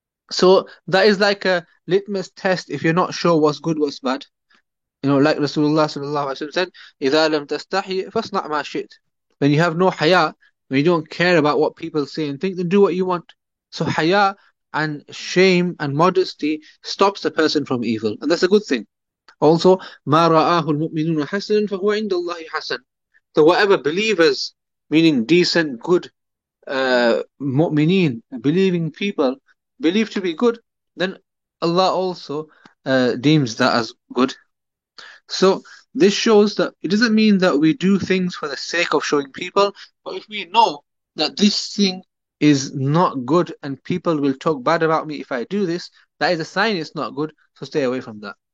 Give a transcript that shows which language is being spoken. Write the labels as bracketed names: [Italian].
[English] So that is like a litmus test if you're not sure what's good, what's bad. You know, like Rasulullah sallallahu alaihi wasallam said, [Arabic] إِذَا لَمْ تَسْتَحْيِ فَاصْنَعْ مَا شِئْتَ. [English] When you have no haya, when you don't care about what people say and think, then do what you want. So haya and shame and modesty stops a person from evil. And that's a good thing. [Arabic] Also, مَا رَآهُ الْمُؤْمِنُونَ حَسَنًا فَهُوَ عِنْدَ اللَّهِ حَسَنًا. [English] So whatever believers, meaning decent, good, mu'mineen, believing people, believe to be good, then Allah also deems that as good. So this shows that it doesn't mean that we do things for the sake of showing people, but if we know that this thing is not good and people will talk bad about me if I do this, that is a sign it's not good, so stay away from that.